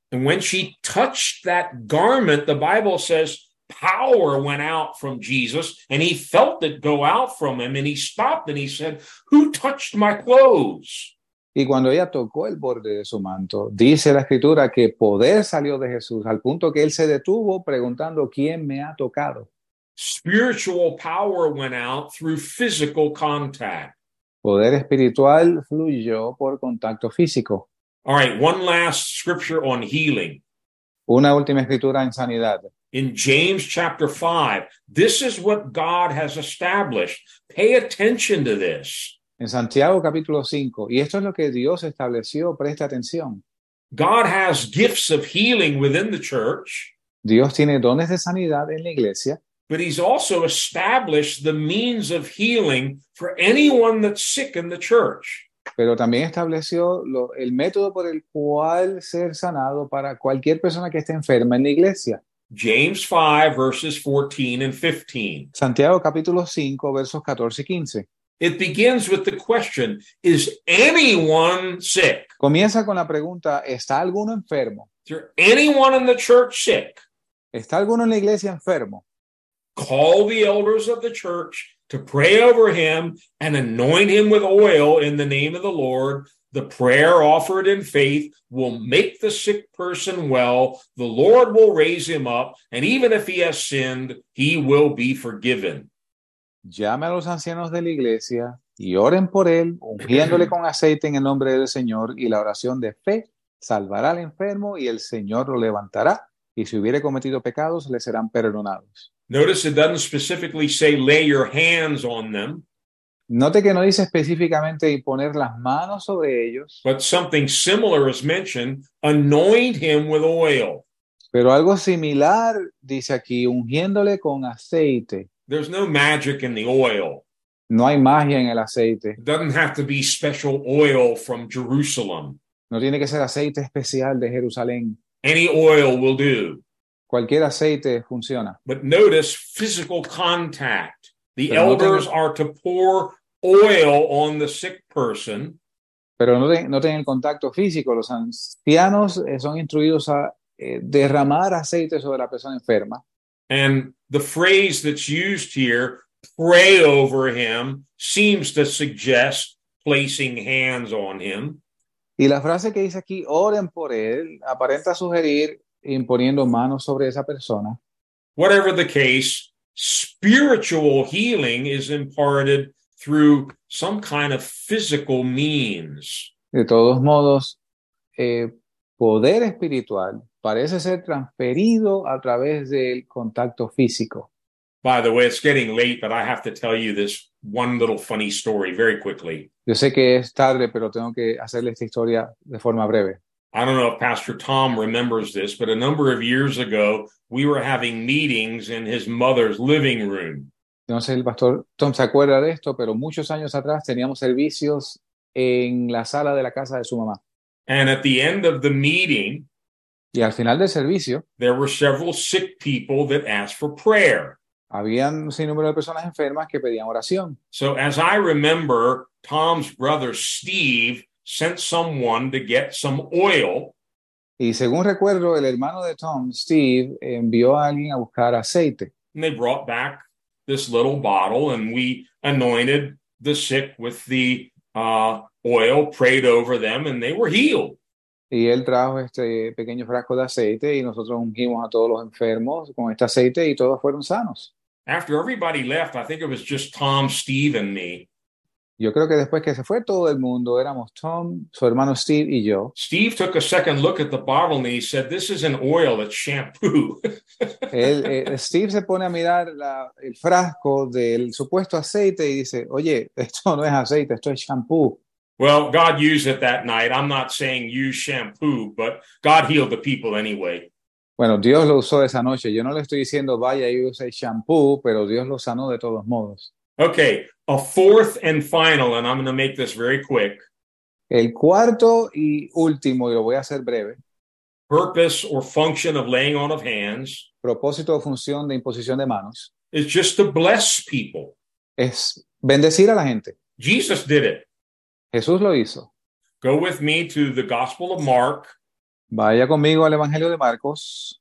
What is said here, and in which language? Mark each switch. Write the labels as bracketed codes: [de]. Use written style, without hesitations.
[en] And when she touched that garment, the Bible says, power went out from Jesus, and he felt it go out from him, and he stopped, and he said, who touched my clothes? [es] Y cuando ella tocó el borde de su manto, dice la Escritura que poder salió de Jesús al punto que él se detuvo preguntando, ¿quién me ha tocado? [en] Spiritual power went out through physical contact. [es] Poder espiritual fluyó por contacto físico. [en] All right, one last scripture on healing. [es] Una última escritura en sanidad. [en] In James chapter 5, this is what God has established. Pay attention to this. [es] En Santiago capítulo 5, y esto es lo que Dios estableció, presta atención. [en] God has gifts of healing within the church. [es] Dios tiene dones de sanidad en la iglesia. [en] But he's also established the means of healing for anyone that's sick in the church. [es] Pero también estableció el método por el cual ser sanado para cualquier persona que esté enferma en la iglesia. [en] James 5, verses 14 and 15. [es] Santiago capítulo 5, versos 14 y 15. [en] It begins with the question, is anyone sick? [es] Comienza con la pregunta, ¿está alguno enfermo? [en] Is there anyone in the church sick? [es] ¿Está alguno en la iglesia enfermo? [en] Call the elders of the church to pray over him and anoint him with oil in the name of the Lord. The prayer offered in faith will make the sick person well. The Lord will raise him up, and even if he has sinned, he will be forgiven. [es] Llame a los ancianos de la iglesia y oren por él, ungiéndole con aceite en el nombre del Señor, y la oración de fe salvará al enfermo y el Señor lo levantará, y si hubiere cometido pecados, le serán perdonados. [en] Notice it doesn't specifically say lay your hands on them. [es] Note que no dice específicamente poner las manos sobre ellos. [en] But something similar is mentioned, anoint him with oil. [es] Pero algo similar dice aquí, ungiéndole con aceite. [en] There's no magic in the oil. [es] No hay magia en el aceite. [en] It doesn't have to be special oil from Jerusalem. [es] No tiene que ser aceite especial de Jerusalén. [en] Any oil will do. [es] Cualquier aceite funciona. [en] But notice physical contact. The elders are to pour oil on the sick person. [es] Pero no tienen contacto físico. Los ancianos son instruidos a derramar aceite sobre la persona enferma. [en] And the phrase that's used here, pray over him, seems to suggest placing hands on him. [es] Y la frase que dice aquí, oren por él, aparenta sugerir imponiendo manos sobre esa persona. [en] Whatever the case, spiritual healing is imparted through some kind of physical means. [es] De todos modos, poder espiritual parece ser transferido a través del contacto físico. [en] By the way, it's getting late, but I have to tell you this one little funny story very quickly. [es] Yo sé que es tarde, pero tengo que hacerle esta historia de forma breve. [en] I don't know if Pastor Tom remembers this, but a number of years ago, we were having meetings in his mother's living room. [es] No sé si el Pastor Tom se acuerda de esto, pero muchos años atrás teníamos servicios en la sala de la casa de su mamá. [en] And at the end of the meeting, [es] y al final del servicio, [en] there were several sick people that asked for prayer. [es] Habían un sinnúmero de personas enfermas que pedían oración. [en] So as I remember, Tom's brother Steve sent someone to get some oil. [es] Y según recuerdo, el hermano de Tom, Steve, envió a alguien a buscar aceite. [en] And they brought back this little bottle and we anointed the sick with the oil, prayed over them, and they were healed. [es] Y él trajo este pequeño frasco de aceite y nosotros ungimos a todos los enfermos con este aceite y todos fueron sanos. [en] After everybody left, I think it was just Tom, Steve, and me. [es] Yo creo que después que se fue todo el mundo, éramos Tom, su hermano Steve y yo. [en] Steve took a second look at the bottle and he said, this is an oil, it's shampoo. [es] Steve se pone a mirar el frasco del supuesto aceite y dice, oye, esto no es aceite, esto es shampoo. [en] Well, God used it that night. I'm not saying use shampoo, but God healed the people anyway. [es] Bueno, Dios lo usó esa noche. Yo no le estoy diciendo vaya y use shampoo, pero Dios lo sanó de todos modos. [en] Okay, a fourth and final, and I'm going to make this very quick. [es] El cuarto y último, y lo voy a hacer breve. [en] Purpose or function of laying on of hands. [es] Propósito o función de imposición de manos. [en] Is just to bless people. [es] Es bendecir a la gente. [en] Jesus did it. [es] Jesús lo hizo. [en] Go with me to the Gospel of Mark. [es] Vaya conmigo al Evangelio de Marcos.